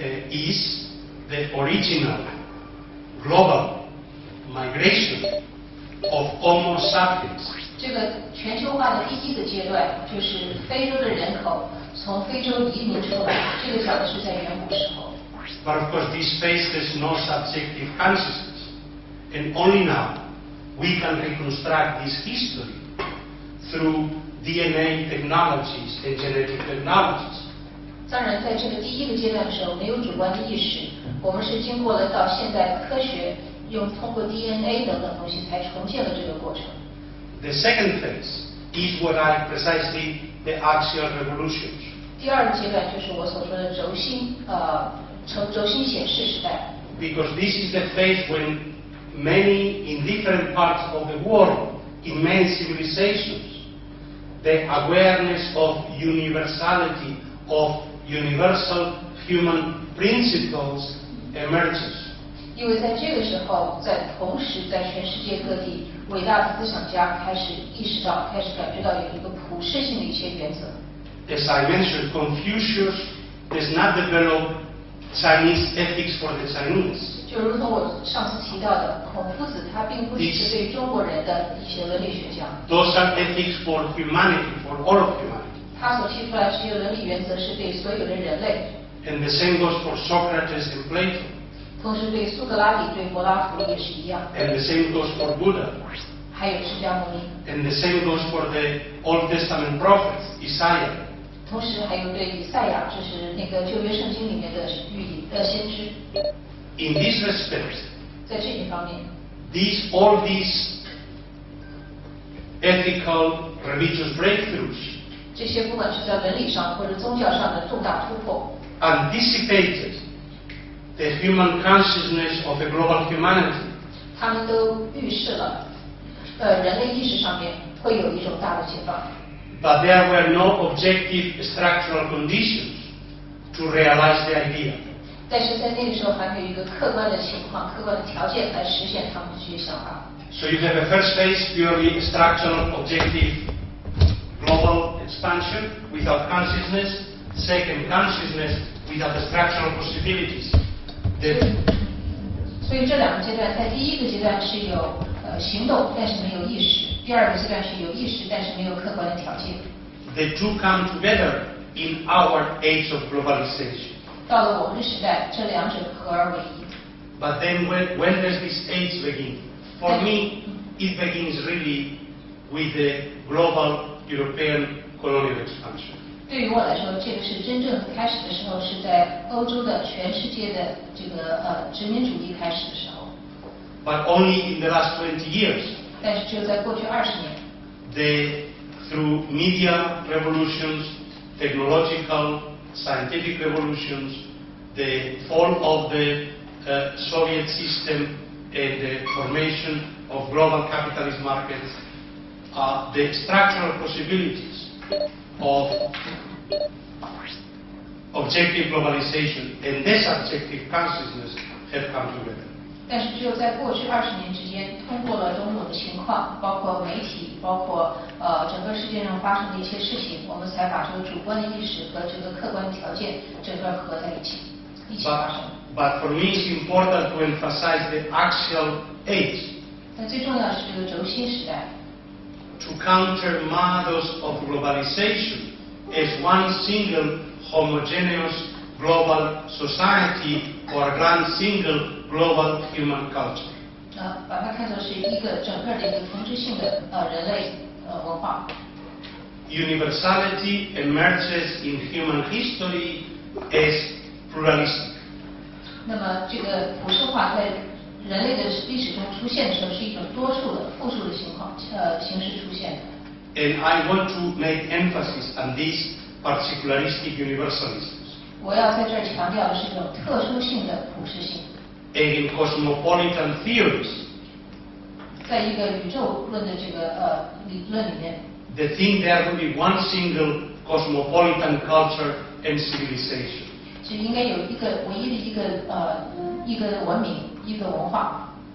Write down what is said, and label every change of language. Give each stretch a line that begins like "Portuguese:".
English: is the original global migration of Homo sapiens.
Chinese: 这个全球化的第一个阶段就是非洲的人口从非洲移民出来，这个讲的是在远古时候。
English: But of course this phase has no subjective consciousness. And only now we can reconstruct this historyThrough DNA technologies and genetic technologies.
Chinese: 当然，在这个第一个阶段的时候，没有主观的意识。我们是经过了到现在科学，用通过 DNA 等等东西，才重建了这个过程。
English: The second phase is what I precisely the axial revolution.
Chinese: 第二个阶段就是我所说的轴心，从轴心显示时代。
English: Because this is the phase when many in different parts of the world.In many civilizations, the awareness of universality, of universal human principles emerges.
Chinese: 因为在这个时候，在同时，在全世界各地，伟大的思想家开始意识到，开始感觉到有一个普世性的一些原则。
English: As I mentioned, Confucius does not develop Chinese ethics for the Chinese.
Chinese: 就如同我上次提到的，孔夫子他并不是对中国人的一些伦理学家。
English: Those are ethics for humanity, for all of humanity.
Chinese: 他所提出来这些伦理原则是对所有的人类。
English: And the same goes for Socrates and Plato.
Chinese: 同时对苏格拉底对柏拉图也是一样
English: and the same goes for Buddha
Chinese: 还有释迦牟尼
English: and the same goes for the Old Testament prophet Isaiah
Chinese: 同时还有对以赛亚就是那个旧约圣经里面的预言的先知
English: in this respect
Chinese: 在这一方面
English: these, all these ethical religious breakthroughs
Chinese: 这些不管是在伦理上或者宗教上的重大突破
English: anticipated the human consciousness of the global humanity.
Chinese: 他们都预示了，人类意识上面会有一种大的解放。
English: But there were no objective structural conditions to realize the idea.
Chinese: 但是在那个时候还没有一个客观的情况、客观的条件来实现他们这些想法。
English: So you have a first phase purely structural objective global expansion without consciousness, second consciousness without the structural possibilities.
Chinese: 所以这两个阶段在第一个阶段是有行动但是没有意识第二个阶段是有意识但是没有客观的条件
English: The two come together in our age of globalization
Chinese: 到了我们的时代这两者合而为一
English: But then when does this age begin? For me, it begins really with the global European colonial expansion
Chinese: 对于我来说，这个是真正开始的时候，是在欧洲的全世界的这个殖民主义开始的时候。
English: But only in the last 20 years.
Chinese: 但是只有在过去二十年。
English: They through media revolutions, technological, scientific revolutions, the fall of the Soviet system and the formation of global capitalist markets, the structural possibilities. Of objective globalization and this objective consciousness have come together.
Chinese: 但是只有在过去二十年之间，通过了种种的情况，包括媒体，包括整个世界上发生的一些事情，我们才把这个主观的意识和这个客观条件整个合在一起，一起发生。
English: But for me, it's important to emphasize the axial age.
Chinese: 但最重要的是这个轴心时代。
English: To counter models of globalization as one single homogeneous global society or one single global human culture.
Chinese: 把它看作是一个整个的一个同质性的人类文化。
English: Universality emerges in human history as pluralistic.
Chinese: 那么这个普世化在人类的历史中出现的时候是一种多数的复数的情况形式出现的
English: and I want to make emphasis on these particularistic universalisms
Chinese: 我要在这儿强调的是一种特殊性的普世性
English: and in cosmopolitan theories
Chinese: 在一个宇宙论的这个理论里面
English: the thing there will be one single cosmopolitan culture and civilization
Chinese: 就应该有一个唯一的一个一个文明一个文化。